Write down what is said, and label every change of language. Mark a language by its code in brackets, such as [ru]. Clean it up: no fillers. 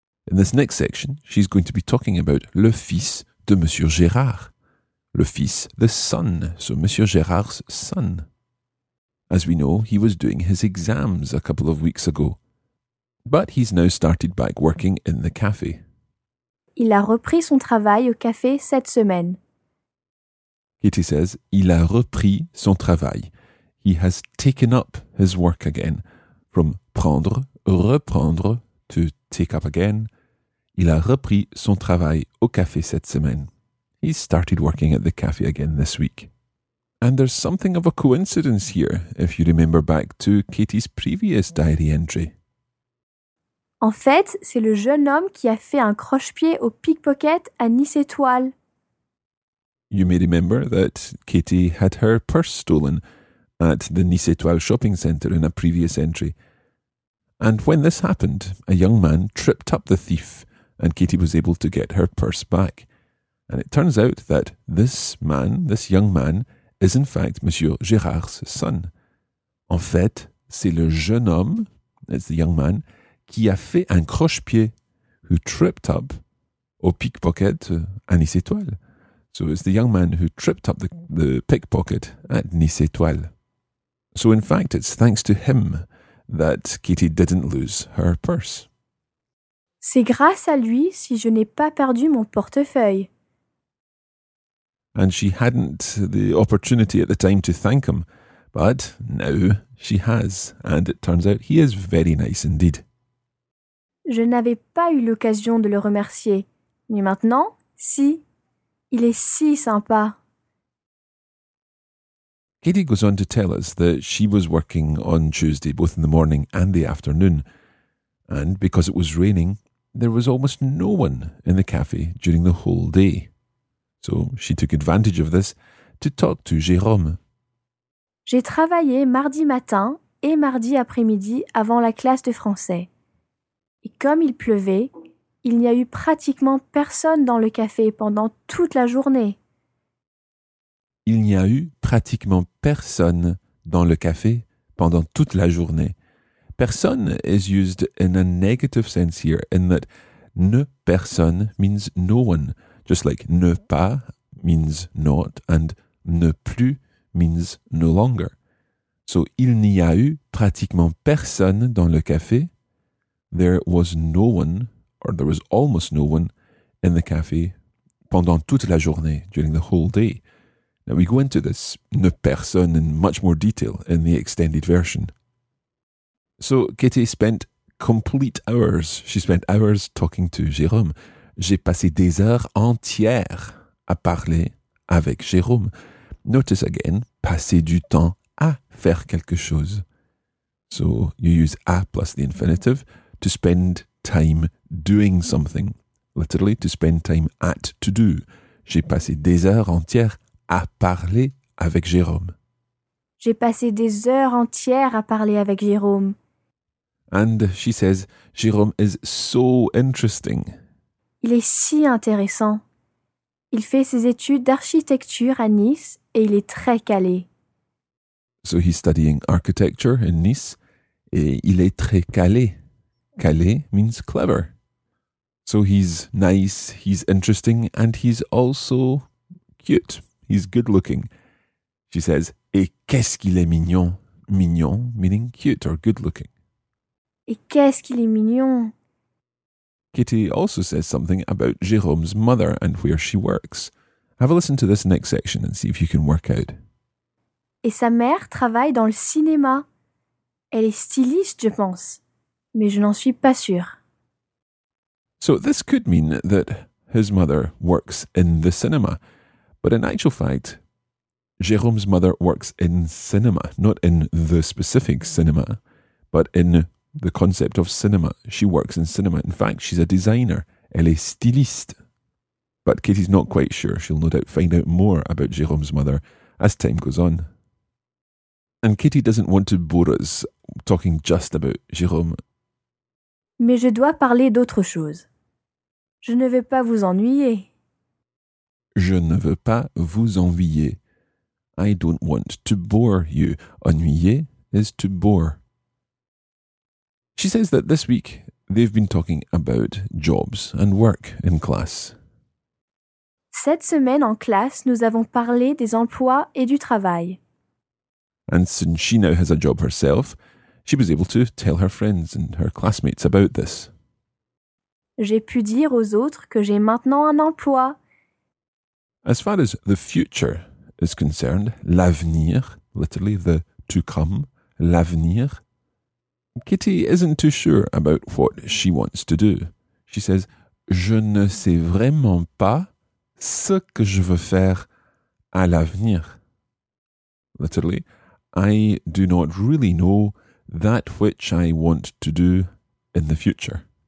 [en] In this next section, she's going to be talking about [fr] le fils de Monsieur Gérard. Le fils, [en] the son. So Monsieur Gérard's son. As we know, he was doing his exams a couple of weeks ago. But he's now started back working in the café. [fr] Il a repris son travail au café cette semaine. [en] Katie says, [fr] il a repris son travail. [en] He has taken up his work again. From prendre, reprendre, to take up again. [fr] Il a repris son travail au café cette semaine. [en] He started working at the café again this week. And there's something of a coincidence here, if you remember back to Katie's previous diary entry. [fr] En fait, c'est le jeune homme qui a fait un croche-pied au pickpocket à Nice Étoile. [en] You may remember that Katie had her purse stolen at the Nice Étoile shopping centre in a previous entry. And when this happened, a young man tripped up the thief and Katie was able to get her purse back. And it turns out that this man, this young man, is in fact Monsieur Gérard's son. [fr] En fait, c'est le jeune homme, [en] it's the young man, [fr] qui a fait un croche-pied, [en] who tripped up [fr] au pickpocket à Nice Étoile. [en] So it's the young man who tripped up the pickpocket at Nice Étoile. So in fact, it's thanks to him that Katie didn't lose her purse. [fr] C'est grâce à lui si je n'ai pas perdu mon portefeuille. [en] And she hadn't the opportunity at the time to thank him, but now she has, and it turns out he is very nice indeed. [fr] Je n'avais pas eu l'occasion de le remercier, mais maintenant, si. Il est si sympa. [en] Katie goes on to tell us that she was working on Tuesday, both in the morning and the afternoon. And because it was raining, there was almost no one in the cafe during the whole day. So she took advantage of this to talk to Jérôme. [fr] J'ai travaillé mardi matin et mardi après-midi avant la classe de français. Et comme il pleuvait, il n'y a eu pratiquement personne dans le café pendant toute la journée. Il n'y a eu pratiquement personne dans le café pendant toute la journée. [en] Personne is used in a negative sense here, in that ne personne means no one, just like ne pas means not and ne plus means no longer. [fr] So il n'y a eu pratiquement personne dans le café. [en] There was no one, or there was almost no one, in the café [fr] pendant toute la journée, [en] during the whole day. Now we go into this, ne personne, in much more detail in the extended version. So Katie spent complete hours, she spent hours talking to Jérôme. [fr] J'ai passé des heures entières à parler avec Jérôme. [en] Notice again, [fr] passer du temps à faire quelque chose. [en] So you use à plus the infinitive, to spend time doing something. Literally, to spend time at to do. [fr] J'ai passé des heures entières à parler avec Jérôme. J'ai passé des heures entières à parler avec Jérôme. [en] And she says, Jérôme is so interesting. [fr] Il est si intéressant. Il fait ses études d'architecture à Nice et il est très calé. [en] So he's studying architecture in Nice [fr] et il est très calé. [en] Calé means clever. So he's nice, he's interesting, and he's also cute. He's good looking. She says, [fr] et qu'est-ce qu'il est mignon? [en] Mignon meaning cute or good looking. [fr] Et qu'est-ce qu'il est mignon? [en] Kitty also says something about Jerome's mother and where she works. Have a listen to this next section and see if you can work out. [fr] Et sa mère travaille dans le cinéma. Elle est styliste, je pense, mais je n'en suis pas sûre. [en] So this could mean that his mother works in the cinema. But in actual fact, Jérôme's mother works in cinema, not in the specific cinema, but in the concept of cinema. She works in cinema. In fact, she's a designer. [fr] Elle est styliste. [en] But Katie's not quite sure. She'll no doubt find out more about Jérôme's mother as time goes on. And Katie doesn't want to bore us talking just about Jérôme. [fr] Mais je dois parler d'autre chose. Je ne vais pas vous ennuyer. Je ne veux pas vous ennuyer. [en] I don't want to bore you. Ennuyer is to bore. She says that this week they've been talking about jobs and work in class. [fr] Cette semaine en classe, nous avons parlé des emplois et du travail. [en] And since she now has a job herself, she was able to tell her friends and her classmates about this. [fr] J'ai pu dire aux autres que j'ai maintenant un emploi. [en] As far as the future is concerned, l'avenir, literally the to come, l'avenir, Kitty isn't too sure about what she wants to do. She says, [fr] je ne sais vraiment pas ce que je veux faire à l'avenir. [en] Literally, I do not really know that which I want to do in the future.